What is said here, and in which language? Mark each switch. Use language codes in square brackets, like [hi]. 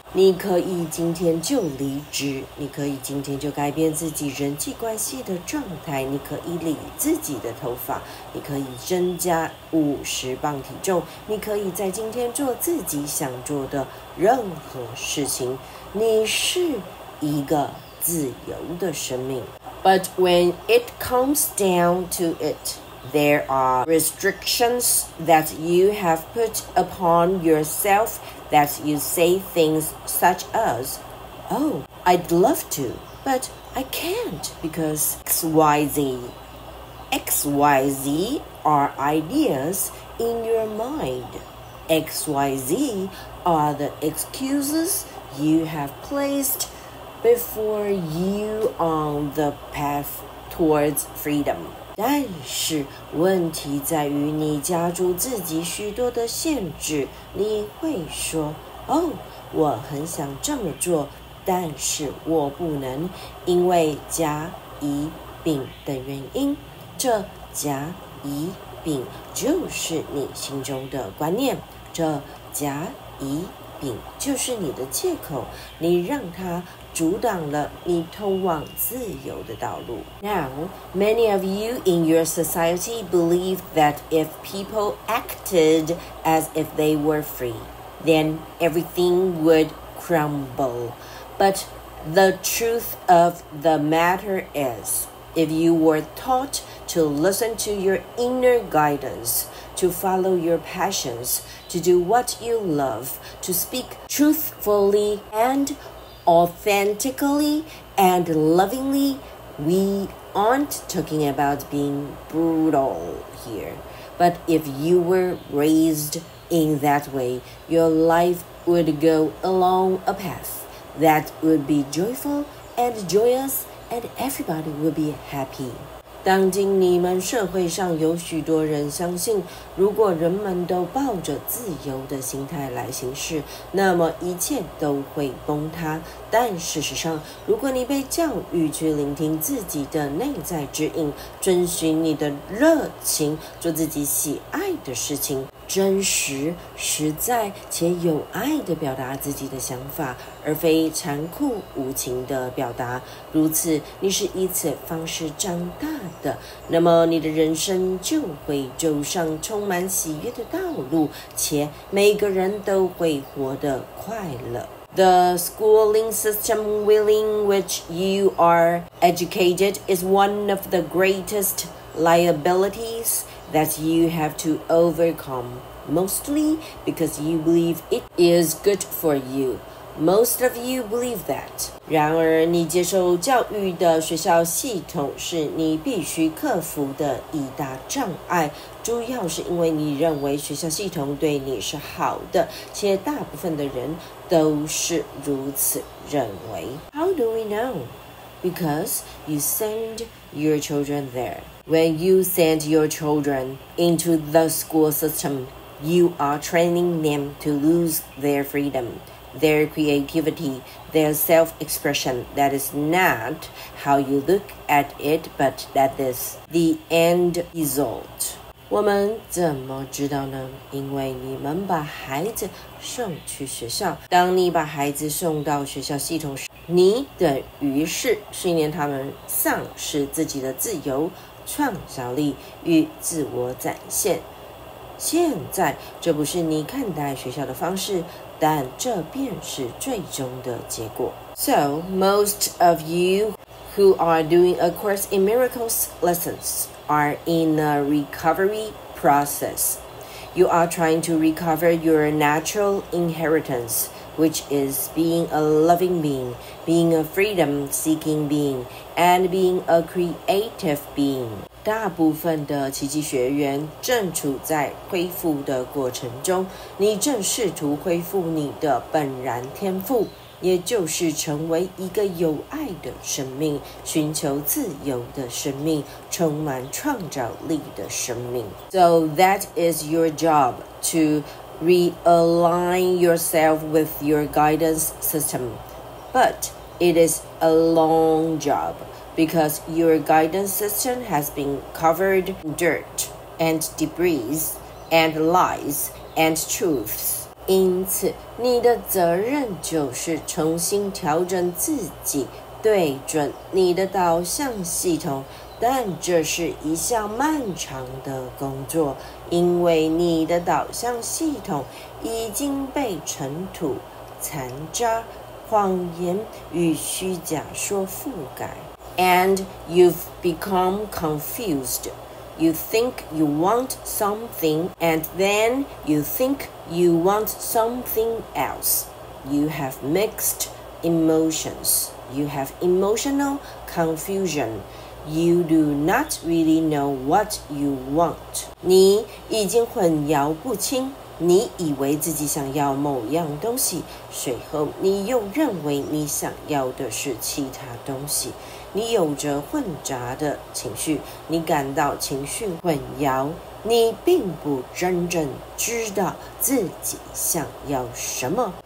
[zh] 你可以今天就离职，你可以今天就改变自己人际关系的状态，你可以理自己的头发，你可以增加50磅体重，你可以在今天做自己想做的任何事情。你是一个自由的生命。 [en] But when it comes down to it, there are restrictions that you have put upon yourselfThat you say things such as, Oh, I'd love to, but I can't because XYZ. XYZ are ideas in your mind. XYZ are the excuses you have placed before you on the path towards freedom. [zh] 但是问题在于你加诸自己许多的限制，你会说，哦，我很想这么做，但是我不能，因为甲乙丙的原因。这甲乙丙就是你心中的观念，这甲乙丙就是你的借口，你让它阻挡了你通往自由的道路。 [en] Now, many of you in your society believe that if people acted as if they were free, then everything would crumble. But the truth of the matter is, if you were taught to listen to your inner guidance, to follow your passions, to do what you love, to speak truthfully andauthentically and lovingly, we aren't talking about being brutal here. But if you were raised in that way, your life would go along a path that would be joyful and joyous and everybody would be happy. [zh] 当今你们社会上有许多人相信，如果人们都抱着自由的心态来行事，那么一切都会崩塌。但事实上，如果你被教育去聆听自己的内在指引，遵循你的热情，做自己喜爱的事情，真实、实在且有爱地表达自己的想法，而非残酷无情地表达。如此，你是以此方式长大的，那么你的人生就会走上充满喜悦的道路，且每个人都会活得快乐。 [en] The schooling system within which you are educated is one of the greatest liabilities that you have to overcome, mostly because you believe it is good for you. Most of you believe that. [zh] 然而你接受教育的学校系统是你必须克服的一大障碍，主要是因为你认为学校系统对你是好的，且大部分的人都是如此认为。 [en] How do we know? Because you send your children there. When you send your children into the school system, you are training them to lose their freedom, their creativity, their self-expression. That is not how you look at it, but that is the end result. [zh] 我们怎么知道呢？因为你们把孩子送去学校。当你把孩子送到学校系统时，你等于是训练他们丧失自己的自由、创造力与自我展现。现在，这不是你看待学校的方式，但这便是最终的结果。 [en] So, most of you who are doing A Course in Miracles lessons are in a recovery process. You are trying to recover your natural inheritance,which is being a loving being, being a freedom-seeking being, and being a creative being. [zh] 大部分的奇迹学员正处在恢复的过程中，你正试图恢复你的本然天赋，也就是成为一个有爱的生命，寻求自由的生命，充满创造力的生命。 [en] So that is your job to... Realign yourself with your guidance system. But it is a long job because your guidance system has been covered in dirt and debris and lies and truths. [zh] 因此，你的责任就是重新调整自己，对准你的导向系统。但这是一项漫长的工作，因为你的导向系统已经被尘土、残渣、谎言与虚假说覆盖。 [en] And you've become confused. You think you want something, and then you think you want something else. You have mixed emotions. You have emotional confusion. You do not really know what you want. [zh] 你已经混淆不清，你以为自己想要某样东西，随后你又认为你想要的是其他东西。你有着混杂的情绪，你感到情绪混淆，你并不真正知道自己想要什么。